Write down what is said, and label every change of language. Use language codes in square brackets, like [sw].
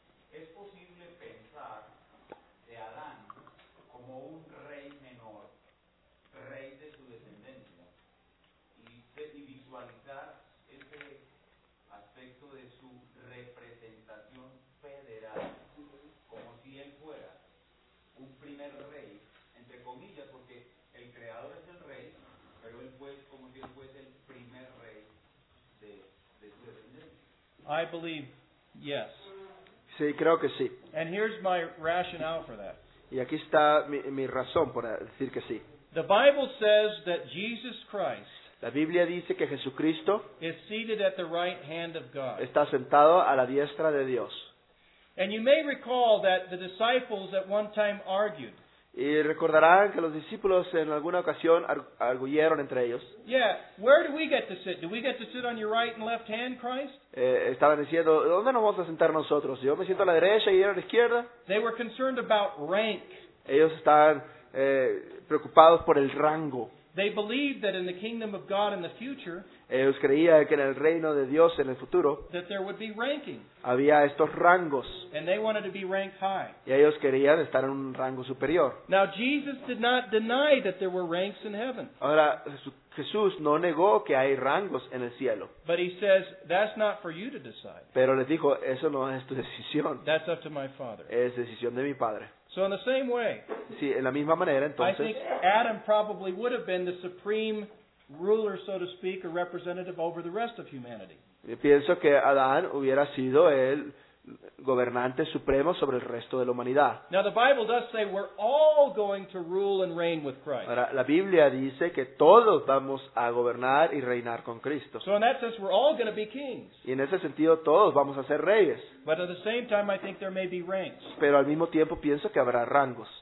[es] ¿Es posible pensar de Adán como un rey menor, rey de su descendencia, y visualizar este aspecto de su representación federal como si él fuera un primer rey, entre comillas, porque el creador es el rey, pero él fue como si él fuese el primer rey de su descendencia? [en] I believe. Yes. [es] Sí, creo que sí. [en] And here's my rationale for that. [es] Y aquí está mi razón para decir que sí. [en] The Bible says that Jesus Christ. [es] La Biblia dice que Jesucristo. [en] Is seated at the right hand of God. [es] Está sentado a la diestra de Dios. [en] And you may recall that the disciples at one time argued. [es] Y recordarán que los discípulos en alguna ocasión arguyeron entre ellos. [en] Yeah, where do we get to sit? Do we get to sit on your right and left hand, Christ? [es] Estaban diciendo, ¿dónde nos vamos a sentar nosotros? Yo me siento a la derecha y él a la izquierda. [en] They were concerned about rank. [es] Ellos estaban preocupados por el rango. [en] They believed that in the kingdom of God in the future. [es] Ellos creían que en el reino de Dios en el futuro. [en] That there would be ranking. [es] Había estos rangos. [en] And they wanted to be ranked high. [es] Y ellos querían estar en un rango superior. [en] Now Jesus did not deny that there were ranks in heaven. [es] Ahora Jesús no negó que hay rangos en el cielo. [en] But he says that's not for you to decide. [es] Pero les dijo eso no es tu decisión. [en] That's up to my Father. [es] Es decisión de mi Padre. [en] So in the same way. [es] Sí, en la misma manera, entonces, [en] I think Adam probably would have been the supreme ruler, so to speak, or representative over the rest of humanity. [es] Pienso que Adán hubiera sido el gobernante supremo sobre el resto de la humanidad. [en] Now the Bible does say we're all going to rule and reign with Christ. [es] Ahora, la Biblia dice que todos vamos a gobernar y reinar con Cristo. [en] So in that sense, we're all going to be kings. [es] Y en ese sentido, todos vamos a ser reyes. [en] But at the same time, I think there may be ranks. [es] Pero al mismo tiempo, pienso que habrá rangos.